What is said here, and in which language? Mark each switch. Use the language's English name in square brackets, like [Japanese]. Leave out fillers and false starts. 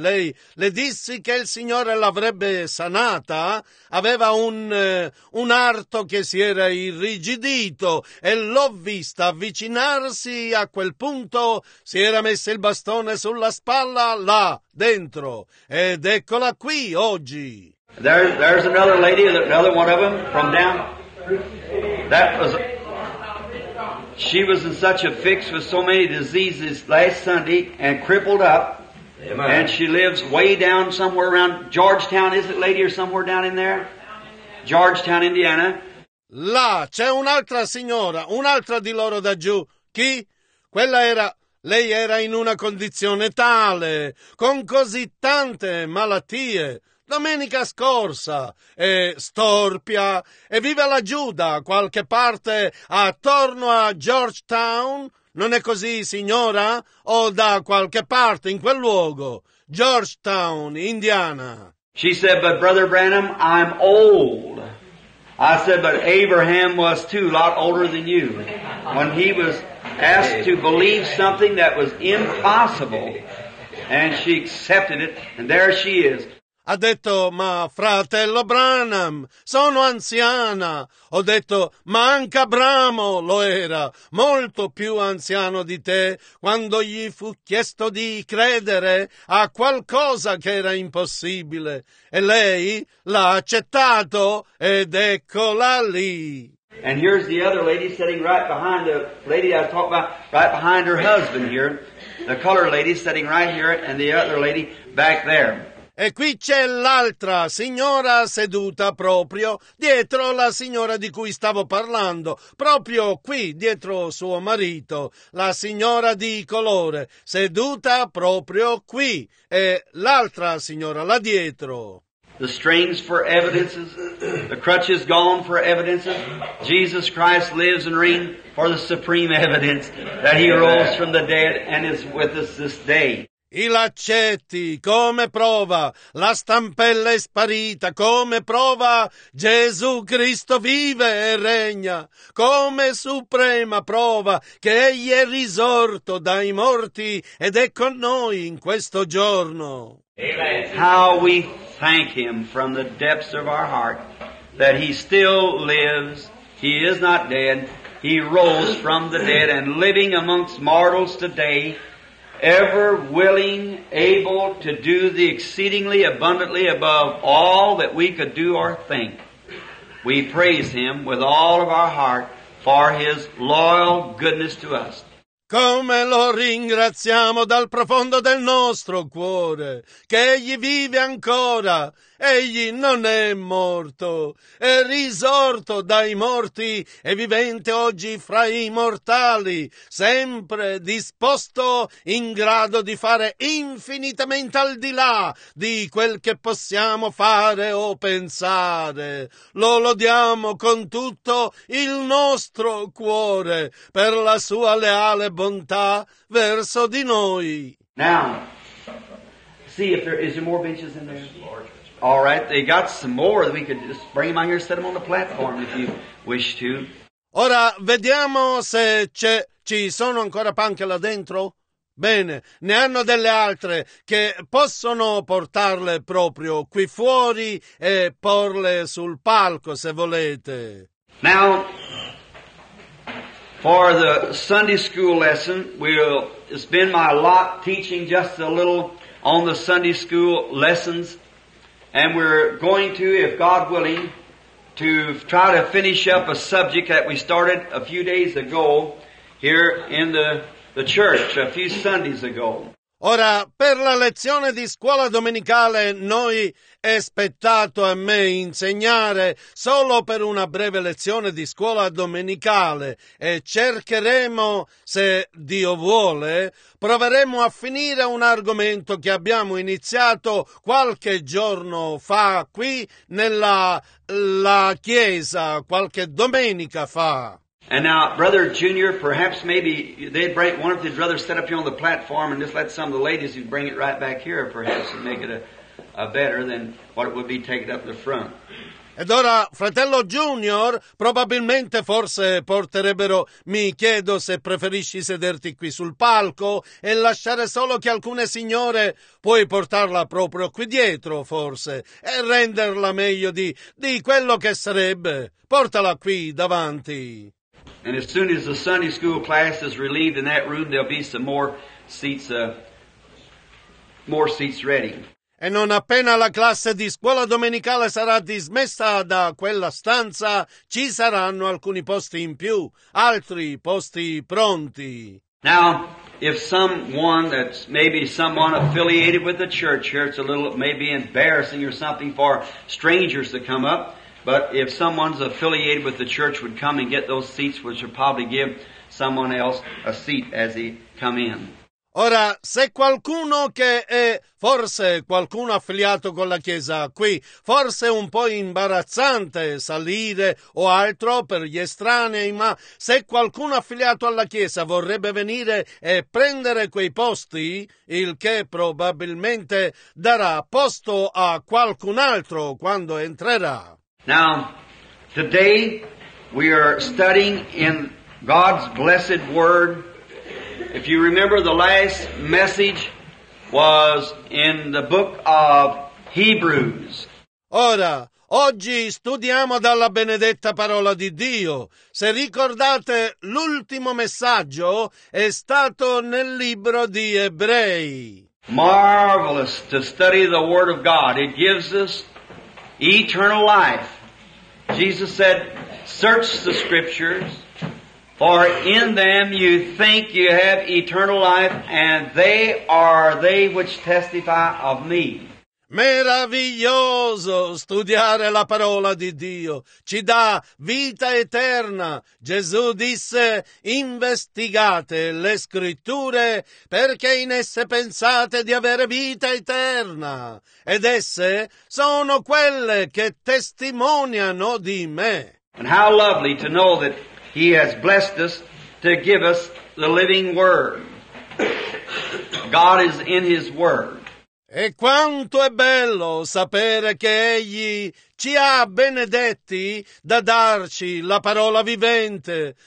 [Italian] Lei, le dissi che il Signore l'avrebbe sanata, aveva un arto che si era irrigidito e l'ho vista avvicinarsi a quel punto, si era messa il bastone sulla spalla, là dentro, ed eccola qui oggi. [English] There's another lady, another one of them, from down. She was in such a fix with so many diseases last Sunday and crippled up. Amen. And she lives way down somewhere around Georgetown, is it, lady, or somewhere down in there? Georgetown, Indiana. [Italian] Là c'è un'altra signora, un'altra di loro da giù. Chi? Quella era... Lei era in una condizione tale, con così tante malattie. Domenica scorsa è storpia e vive laggiù da qualche parte attorno a Georgetown, non è così, signora? O da qualche parte in quel luogo, Georgetown, Indiana. [English] She said, but Brother Branham, I'm old. I said, but Abraham was too, a lot older than you. When he was asked to believe something that was impossible, and she accepted it, and there she is. [Italian] Ha detto, ma fratello Branham, sono anziana. Ho detto, ma anche Abramo lo era, molto più anziano di te, quando gli fu chiesto di credere a qualcosa che era impossibile. E lei l'ha accettato, ed eccola lì. [English] And here's the other lady sitting right behind the lady I was talking about, right behind her husband here, the color lady sitting right here, and the other lady back there. [Italian] E qui c'è l'altra signora seduta proprio dietro la signora di cui stavo parlando, proprio qui dietro suo marito, la signora di colore, seduta proprio qui, e l'altra signora là dietro. [English] The strings for evidences, the crutch is gone for evidences. Jesus Christ lives and reigns for the supreme evidence that he rose from the dead and is with us this day. [Italian] I laccetti, come prova, la stampella è sparita, come prova, Gesù Cristo vive e regna, come suprema prova che Egli è risorto dai morti ed è con noi in questo giorno. [English] How we thank Him from the depths of our heart that He still lives, He is not dead, He rose from the dead and living amongst mortals today. Ever willing, able to do the exceedingly abundantly above all that we could do or think. We praise Him with all of our heart for His loyal goodness to us. [Italian] Come lo ringraziamo dal profondo del nostro cuore, che Egli vive ancora, Egli non è morto, è risorto dai morti e vivente oggi fra i mortali, sempre disposto, in grado di fare infinitamente al di là di quel che possiamo fare o pensare. Lo lodiamo con tutto il nostro cuore per la sua leale bontà verso di noi. [English] Now, see if there is more benches in there. All right, they got some more. We could just bring them on here, set them on the platform if you wish to. [Italian] Ora, vediamo se ci sono ancora panche là dentro. Bene, ne hanno delle altre che possono portarle proprio qui fuori e porle sul palco se volete. [English] Now, for the Sunday school lesson, it's been my lot teaching just a little on the Sunday school lessons, and we're going to, if God willing, to try to finish up a subject that we started a few days ago here in the church a few Sundays ago. [Italian] Ora, per la lezione di scuola domenicale, noi è spettato a me insegnare solo per una breve lezione di scuola domenicale e cercheremo, se Dio vuole, proveremo a finire un argomento che abbiamo iniziato qualche giorno fa qui nella la chiesa, qualche domenica fa. [English] And now, Brother Junior, perhaps maybe they'd bring one of his brothers set up here on the platform and just let some of the ladies who bring it right back here, perhaps, and make it a better than what it would be taken up in the front. [Italian] Ed ora, fratello Junior, probabilmente forse porterebbero, mi chiedo se preferisci sederti qui sul palco e lasciare solo che alcune signore puoi portarla proprio qui dietro, forse, e renderla meglio di quello che sarebbe. Portala qui davanti. [English] And as soon as the Sunday school class is relieved in that room, there'll be some more seats ready. [Italian] E non appena la classe di scuola domenicale sarà dismessa da quella stanza, ci saranno alcuni posti in più, altri posti pronti. [English] Now, if someone that's maybe someone affiliated with the church here, it's a little maybe embarrassing or something for strangers to come up, but if someone's affiliated with the church would come and get those seats, which would probably give someone else a seat as he come in. [Italian] Ora, se qualcuno che è, forse qualcuno affiliato con la Chiesa qui, forse un po' imbarazzante salire o altro per gli estranei, ma se qualcuno affiliato alla Chiesa vorrebbe venire e prendere quei posti, il che probabilmente darà posto a qualcun altro quando entrerà. [English] Now, today we are studying in God's blessed word. If you remember, the last message was in the book of Hebrews. [Italian] Ora, oggi studiamo dalla benedetta parola di Dio. Se ricordate, l'ultimo messaggio è stato nel libro di Ebrei. [English] Marvelous to study the word of God. It gives us eternal life. Jesus said, search the scriptures. For in them you think you have eternal life, and they are they which testify of me. [Italian] Meraviglioso studiare la parola di Dio. Ci dà vita eterna. Gesù disse, investigate le scritture, perché in esse pensate di avere vita eterna. Ed esse sono quelle che testimoniano di me. [English] And how lovely to know that He has blessed us to give us the living word. God is in His word. [Italian] E quanto è bello sapere che Egli ci ha benedetti da darci la parola vivente.